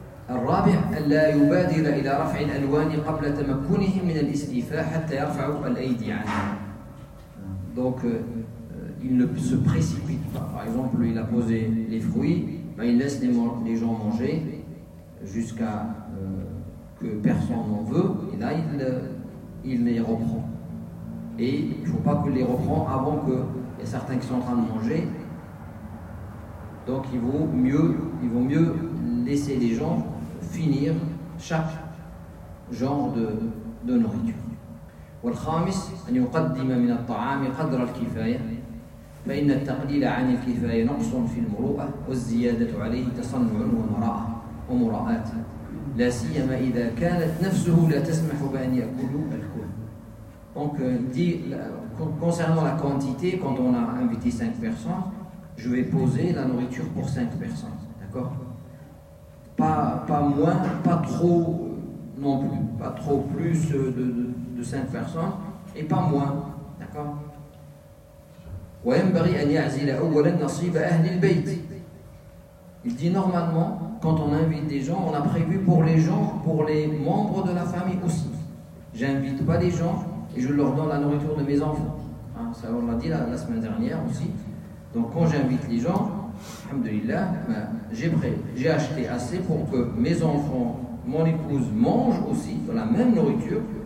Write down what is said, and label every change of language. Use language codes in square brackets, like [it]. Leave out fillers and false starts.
[ar] الرابع أن لا يبادر إلى رفع الألوان قبل تمكنه من الاستيفاء حتى يرفع الأيدي عنه. [fr] Donc, il ne se précipite pas. Par exemple, il a posé les fruits, ben il laisse les gens manger jusqu'à que personne n'en veut, et là, il les reprend. Et il ne faut pas qu'il les reprend avant qu'il y ait certains qui sont en train de manger. Donc, il vaut mieux laisser les gens finir chaque genre de nourriture. [ar] والخامس أن يقدم من الطعام قدر الكفاية فإن التقليل عن الكفاية نقص في المروءة والزيادة عليه تصنع ومراءة لا سيما إذا كانت نفسه لا تسمح بأن يأكل الكل. [fr] Donc dit concernant la quantité, quand on a invité 5 personnes, je vais poser la nourriture pour 5 personnes, d'accord? Pas moins, pas trop non plus, pas trop plus de 5 personnes et pas moins, d'accord. [ar] وينبغي أن يعزل أولا نصيب أهل البيت. [fr] Il dit normalement, quand on invite des gens, on a prévu pour les gens, pour les membres de la famille aussi. J'invite pas les gens et je leur donne la nourriture de mes enfants. Ça, on l'a dit la semaine dernière aussi. Donc quand j'invite les gens, Alhamdulillah, j'ai acheté assez pour que mes enfants, mon épouse mangent aussi de la même nourriture.